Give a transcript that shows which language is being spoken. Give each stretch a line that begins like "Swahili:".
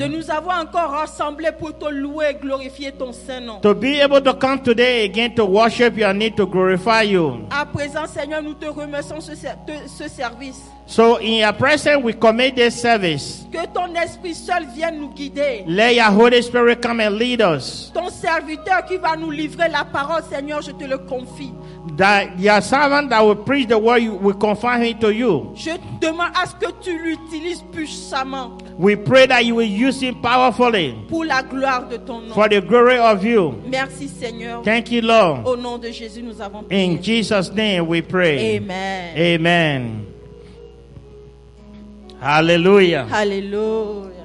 French: De nous avoir encore rassemblés pour te louer et glorifier ton saint nom.
English: To be able to come today again to worship your name, to glorify you.
French: À présent, Seigneur, nous te remercions ce service.
English: So in your presence, we commit this service.
French: Que ton esprit seul vienne nous guider.
English: Let your Holy Spirit come and lead us.
French: Ton serviteur qui va nous livrer la parole, Seigneur, je te le confie.
English: That your servant that will preach the word, we confirm it to you.
French: Je demande à ce que tu l'utilises puissamment.
English: We pray that you will use him powerfully
French: pour la gloire de ton nom.
English: For the glory of you.
French: Merci, Seigneur.
English: Thank you, Lord.
French: Au nom de Jésus, nous avons prié.
English: In Jesus' name we pray. Amen. Amen. Hallelujah. Hallelujah.